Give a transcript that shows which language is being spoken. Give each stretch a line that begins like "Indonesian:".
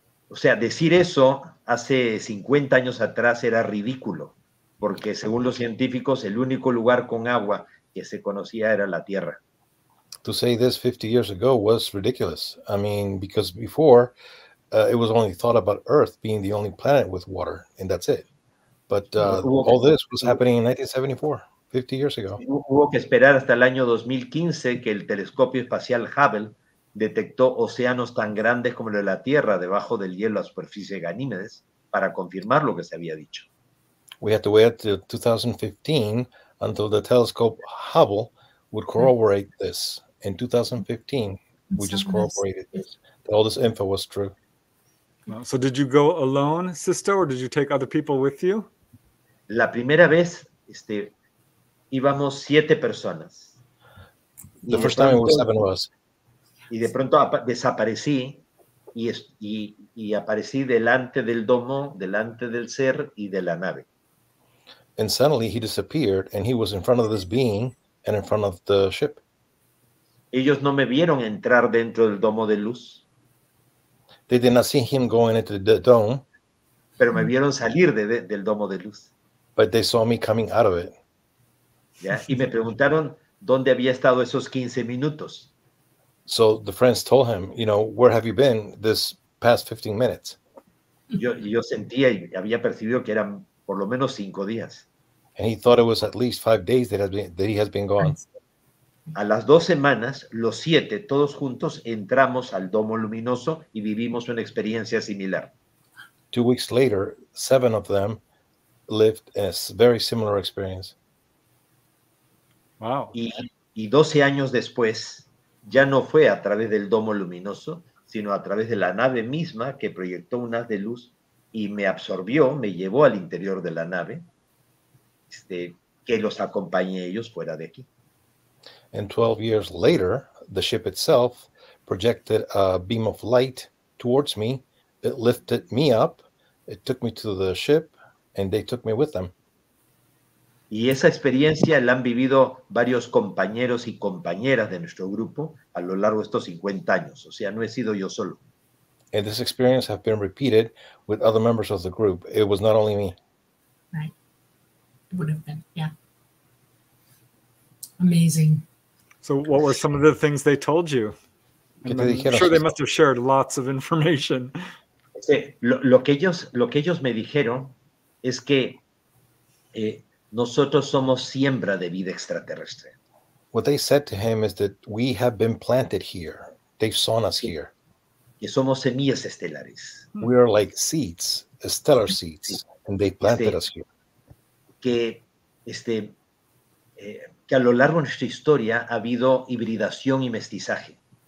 Spanish: O sea, decir eso hace 50 años atrás era ridículo, porque según los científicos, el único lugar con agua que se conocía era la Tierra.
English: To say this 50 years ago was ridiculous. I mean, because before, it was only thought about Earth being the only planet with water, and that's it. But But all this was happening in 1974, 50 years ago.
Spanish: Hubo que esperar hasta el año 2015 que el telescopio espacial Hubble detectó océanos tan grandes como la Tierra debajo del hielo a la superficie de Ganímedes para confirmar lo que se había dicho.
English: We had to wait until 2015 until the telescope Hubble would corroborate this. In 2015, we just corroborated this. All this info was true. So did you go alone, sister, or did you take other people with you?
Spanish: La primera vez, íbamos siete personas.
English: The first time it was seven of us.
Spanish: Y de pronto desaparecí y aparecí delante del domo, delante del ser y de la nave.
English: And suddenly he disappeared, and he was in front of this being and in front of the ship.
Spanish: Ellos no me vieron entrar dentro del domo de luz.
English: They did not see him going into the dome.
Spanish: Pero me vieron salir del domo de luz.
English: But they saw me coming out of it. Yeah.
Spanish: Y me preguntaron dónde había estado esos 15 minutos.
English: So the friends told him, you know, where have you been this past 15 minutes?
Spanish: Yo sentía y había percibido que eran por lo menos 5 días.
English: And he thought it was at least 5 days that he has been gone.
Spanish: A las 2 semanas, los 7, todos juntos, entramos al domo luminoso y vivimos una experiencia similar.
English: 2 weeks later, 7 of them lived a very similar experience. Wow.
Spanish: Y 12 años después, ya no fue a través del domo luminoso, sino a través de la nave misma que proyectó un haz de luz y me absorbió, me llevó al interior de la nave, que los acompañé ellos fuera de aquí.
English: And 12 years later, the ship itself projected a beam of light towards me. It lifted me up, it took me to the ship, and they took me with them.
Spanish: Y esa experiencia la han vivido varios compañeros y compañeras de nuestro grupo a lo largo de estos 50 años. O sea, no he sido yo solo.
English: And this experience has been repeated with other members of the group. It was not only me. Right. It would have been, yeah. Amazing. So what were some of the things they told you? I'm sure they must have shared lots of information.
Spanish: Lo que ellos me dijeron es que nosotros somos siembra de vida extraterrestre.
English: What they said to him is that we have been planted here. They've sown us here.
Spanish: Que somos semillas estelares.
English: We are like seeds, stellar seeds, and they planted us here.
Spanish: Que a lo largo de nuestra historia ha habido hibridación y mestizaje.